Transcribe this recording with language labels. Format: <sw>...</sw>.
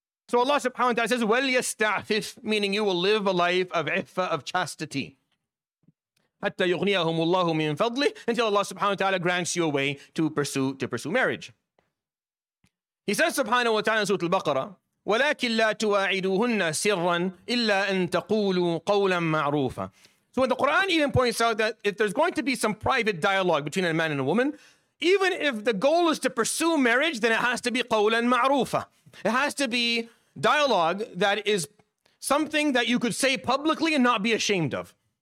<en>So Allah subhanahu wa ta'ala says, "Wal yasta'fif," meaning you will live a life of iffah, of chastity.</en> <ar>حَتَّى يُغْنِيَهُمُ اللَّهُ مِنْ فَضْلِهِ,</ar> <en>until Allah subhanahu wa ta'ala grants you a way to pursue marriage. He says subhanahu wa ta'ala in Surah Al-Baqarah,</en> <ar>وَلَكِنْ لَا تُوَاعِدُوهُنَّ سِرًّا إِلَّا أَن تَقُولُوا قَوْلًا مَعْرُوفًا.</ar> <en>So when the Quran even points out that if there's going to be some private dialogue between a man and a woman, even if the goal is to pursue marriage, then it has to be</en> <ar>قَوْلًا مَعْرُوفًا.</ar> <en>It has to be dialogue that is something that you could say publicly and not be ashamed of.</en>